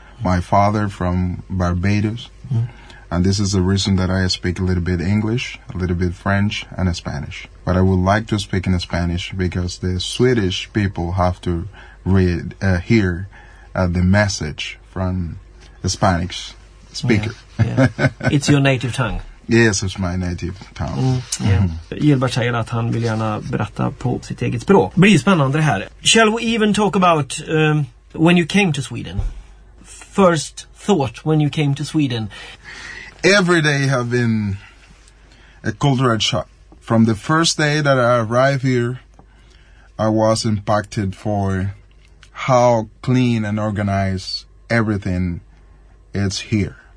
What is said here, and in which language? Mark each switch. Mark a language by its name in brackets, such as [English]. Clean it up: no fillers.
[English] My father from Barbados. Mm-hmm. And this is the reason that I speak a little bit English, a little bit French, and Spanish. But I would like to speak in Spanish because the Swedish people have to read, hear the message from the Spanish speaker. Yeah, yeah. It's your native tongue. Yes, it's my native tongue. [Swedish] Gilbert säger att han vill gärna berätta på sitt eget språk. Det blir spännande det här. [English] Shall we even talk about when you came to Sweden? First thought when you came to Sweden? Every day have been a cultural shock. From the first day that I arrived here, I was impacted for how clean and organized everything is here.